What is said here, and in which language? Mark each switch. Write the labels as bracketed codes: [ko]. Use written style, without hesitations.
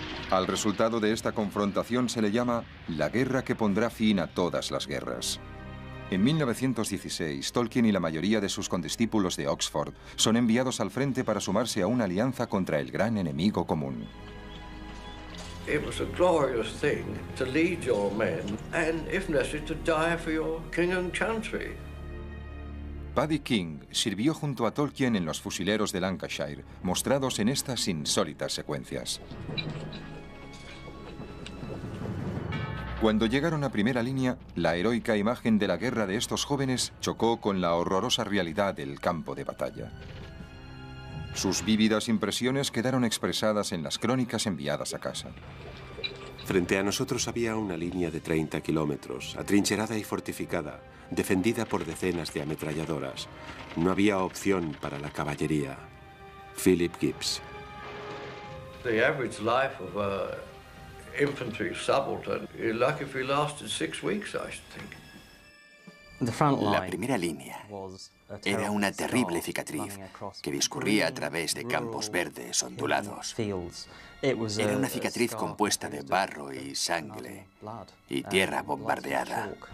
[es] Al resultado de esta confrontación se le llama la guerra que pondrá fin a todas las guerras. En 1916, Tolkien y la mayoría de sus condiscípulos de Oxford son enviados al frente para sumarse a una alianza contra el gran enemigo común. [en] It was a glorious thing to lead your men and, if necessary, to die for your king and country. [es] Paddy King sirvió junto a Tolkien en los fusileros de Lancashire, mostrados en estas insólitas secuencias. Cuando llegaron a primera línea, la heroica imagen de la guerra de estos jóvenes chocó con la horrorosa realidad del campo de batalla. Sus vívidas impresiones quedaron expresadas en las crónicas enviadas a casa. Frente a nosotros había una línea de 30 kilómetros, atrincherada y fortificada, defendida por decenas de ametralladoras. No había opción para la caballería. Philip Gibbs. [en] The average life of a infantry subaltern, you're lucky if he lasted 6 weeks, I should think. [es] La primera línea era una terrible cicatriz que discurría a través de campos verdes ondulados. Era una cicatriz compuesta de barro y sangre y tierra bombardeada.